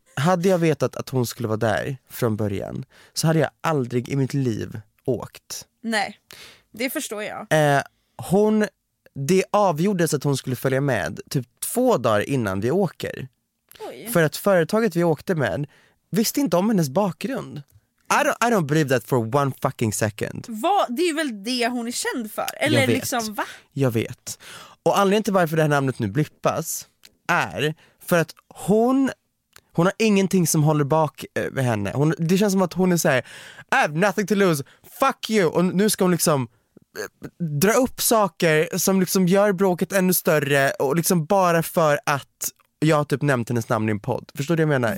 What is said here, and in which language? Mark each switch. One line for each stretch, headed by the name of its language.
Swedish: Hade jag vetat att hon skulle vara där från början så hade jag aldrig i mitt liv åkt. Nej, det förstår jag. Hon, det avgjordes att hon skulle följa med typ 2 dagar innan vi åker. Oj. För att företaget vi åkte med visste inte om hennes bakgrund.
English: I don't believe that for one fucking second.
Swedish: Va? Det är väl det hon är känd för? Eller liksom, va? Jag vet. Och anledningen till varför det här namnet nu blippas är för att hon har ingenting som håller bak henne. Hon, det känns som att hon är så här,
English: I have nothing to lose, fuck you.
Swedish: Och nu ska hon liksom dra upp saker som liksom gör bråket ännu större och liksom bara för att jag har typ nämnt hennes namn i en podd. Förstår du vad jag menar?